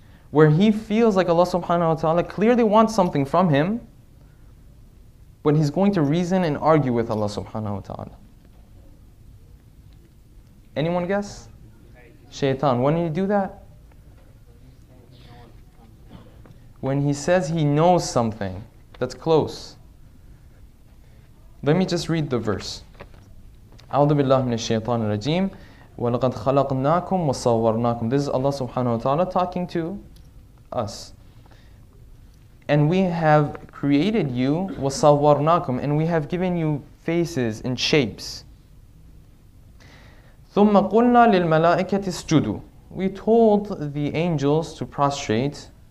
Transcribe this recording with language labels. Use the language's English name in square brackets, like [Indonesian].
[English] Where he feels like Allah subhanahu wa ta'ala clearly wants something from him, when he's going to reason and argue with Allah subhanahu wa ta'ala. Anyone guess? Shaitan. When did he do that? When he says he knows something. That's close. Let me just read the verse. [Arabic] أعوذ بالله من الشيطان الرجيم ولقد خلقناكم وصورناكم. [English] This is Allah subhanahu wa ta'ala talking to us. And we have created you, وَصَوَّرْنَاكُمْ, and we have given you faces and shapes. [Arabic] ثُمَّ قُلْنَا لِلْمَلَائِكَةِ اسْجُدُوا. [English] We told the angels to prostrate.